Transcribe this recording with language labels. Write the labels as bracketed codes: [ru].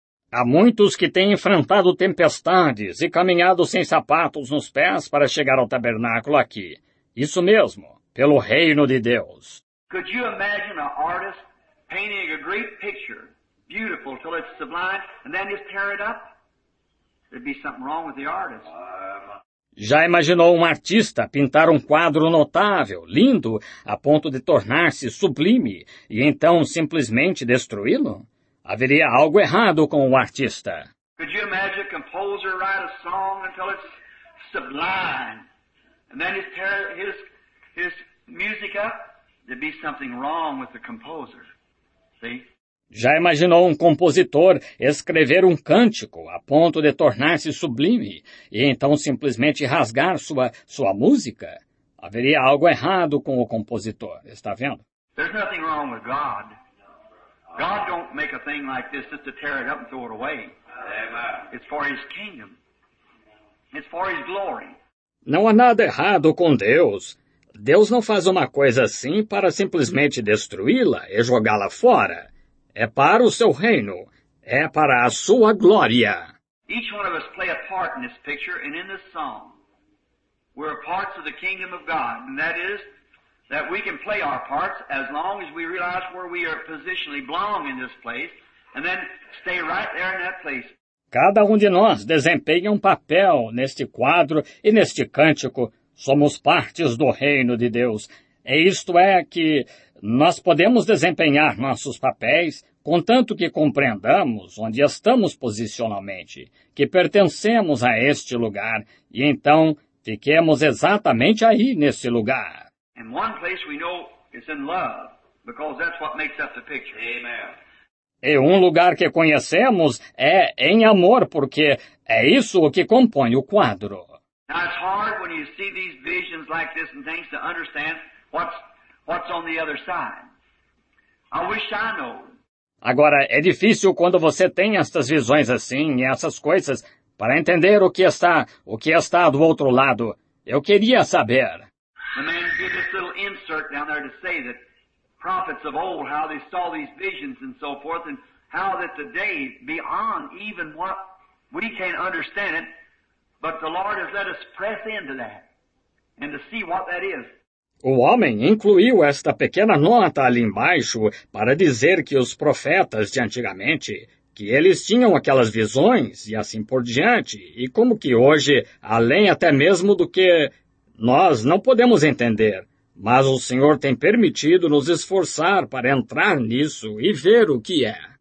[pt] Há muitos que têm enfrentado tempestades e caminhado sem sapatos nos pés para chegar ao tabernáculo aqui. Isso mesmo, pelo reino de Deus. [en] Could you imagine an artist painting a great picture, beautiful till it's sublime, and then just tear it up? There'd be something wrong with the artist. [pt] Já imaginou um artista pintar um quadro notável, lindo, a ponto de tornar-se sublime, e então simplesmente destruí-lo? Haveria algo errado com o artista. [en] Could you imagine a composer write a song until it's sublime, and then just tear his music up? There'd be something wrong with the composer. See? [pt] Já imaginou um compositor escrever um cântico a ponto de tornar-se sublime e então simplesmente rasgar sua música? Haveria algo errado com o compositor, está vendo? [en] There's nothing wrong with God. God don't make a thing like this just to tear it up and throw it away. It's for his kingdom. It's for his glory. [pt] Não há nada errado com Deus. Deus não faz uma coisa assim para simplesmente destruí-la e jogá-la fora. É para o seu reino. É para a sua glória. [en] Each one of us play a part in this picture and in this song. We're parts of the kingdom of God. And that is that we can play our parts as long as we realize where we are positionally belong in this place and then stay right there in that place. [pt] Cada um de nós desempenha um papel neste quadro e neste cântico. Somos partes do reino de Deus. E isto é que nós podemos desempenhar nossos papéis, contanto que compreendamos onde estamos posicionalmente, que pertencemos a este lugar, e então fiquemos exatamente aí nesse lugar. [en] In one place we know it's in love, because that's what makes up the picture. Amen. [pt] E um lugar que conhecemos é em amor, porque é isso o que compõe o quadro. [en] Now it's hard when you see these visions like this and things to understand what's on the other side. I wish I knew. [pt] Agora, é difícil quando você tem estas visões assim e essas coisas para entender o que está do outro lado. Eu queria saber. [en] The man gave this little insert down there to say that prophets of old, how they saw these visions and so forth, and how that the day beyond even what we can't understand it, but the Lord has let us press into that and to see what that is. [pt] O homem incluiu esta pequena nota ali embaixo para dizer que os profetas de antigamente, que eles tinham aquelas visões e assim por diante, e como que hoje, além até mesmo do que nós não podemos entender, mas o Senhor tem permitido nos esforçar para entrar nisso e ver o que é.